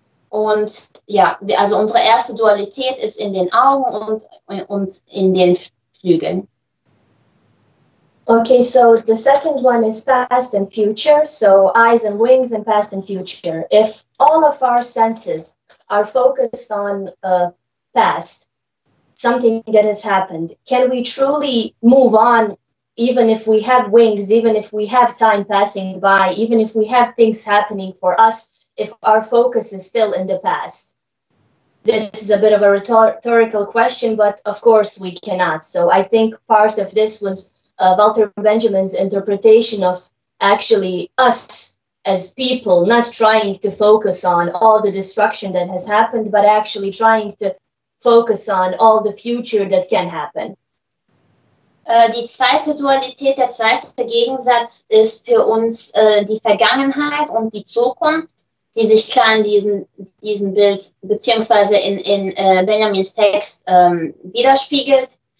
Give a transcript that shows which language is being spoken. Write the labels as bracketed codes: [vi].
[de] Und ja, also unsere erste Dualität ist in den Augen und in den Flügeln. [en] Okay, so the second one is past and future, so eyes and wings and past and future. If all of our senses are focused on past, something that has happened, can we truly move on even if we have wings, even if we have time passing by, even if we have things happening for us, if our focus is still in the past? This is a bit of a rhetorical question, but of course we cannot. So I think part of this was Walter Benjamin's interpretation of actually us as people not trying to focus on all the destruction that has happened, but actually trying to focus on all the future that can happen. [de] Die zweite Dualität, der zweite Gegensatz ist für uns die Vergangenheit und die Zukunft, die sich klar in diesem Bild beziehungsweise in Benjamins Text widerspiegelt.